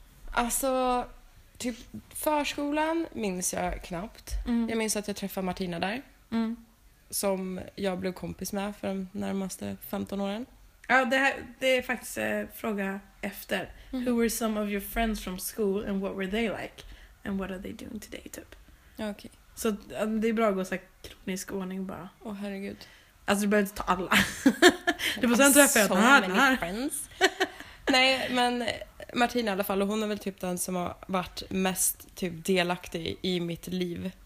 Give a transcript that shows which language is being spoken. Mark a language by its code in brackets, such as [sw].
[sv] Alltså, typ förskolan minns jag knappt. Mm. Jag minns att jag träffade Martina där. Mm. Som jag blev kompis med för de närmaste 15 åren. Ja, oh, det är faktiskt en fråga efter. Mm. [en] Who were some of your friends from school and what were they like? And what are they doing today, typ? [sv] Okej. [en] Okay. [sv] Så det är bra att gå så här kronisk ordning bara. Åh, oh, herregud. Alltså, du behöver inte ta alla. Du får sen träffa så många friends. Nej, men Martina i alla fall, och hon är väl typ den som har varit mest typ delaktig i mitt liv.